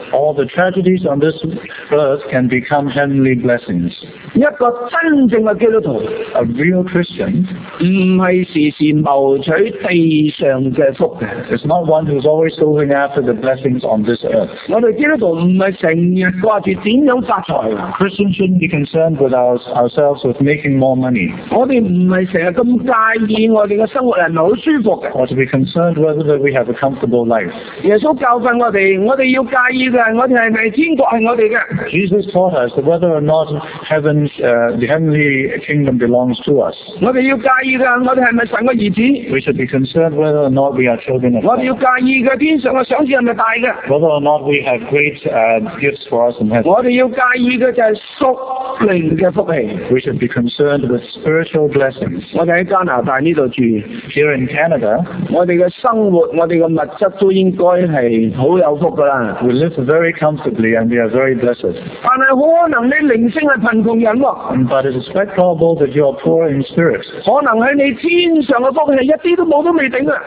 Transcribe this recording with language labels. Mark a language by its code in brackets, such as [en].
[en] All the tragedies on this earth can become heavenly blessings [yue] 一個真正的基督徒 [en] A real Christian [yue] 不是時時謀取地上的福的 [en] It's not one who is always looking after the blessings on this earth [yue] 我們基督徒不是經常掛著怎樣發財 [en] Christians shouldn't be concerned with ourselves with making more money [yue] 我們不是經常那麼介意我們的生活是不是很舒服 [en] Or to be concerned whether we have a comfortable life. [yue] 耶稣教训我们,我们要介意的,我们是不是天国是我们的? [en] Jesus taught us that whether or not the heavenly kingdom belongs to us. [yue] 我们要介意的,我们是不是神的儿子? [en] We should be concerned whether or not we are children of God. [yue] 我们要介意的,天上的赏赐是不是大的? [en] Whether or not we have great gifts for us in heaven. [yue] 我们要介意的就是属灵的福气。 [en] We should be concerned with spiritual blessings. [yue] 我们在加拿大这里住。 [en] Here in Canada, [yue] 我們的生活,我們的物質都應該是很有福的 [en] We live very comfortably and we are very blessed [yue] 但是可能你靈性是貧窮人 [en] But it is quite probable that you are poor in spirit [yue] 可能在你天上的福氣一點都沒有都未頂的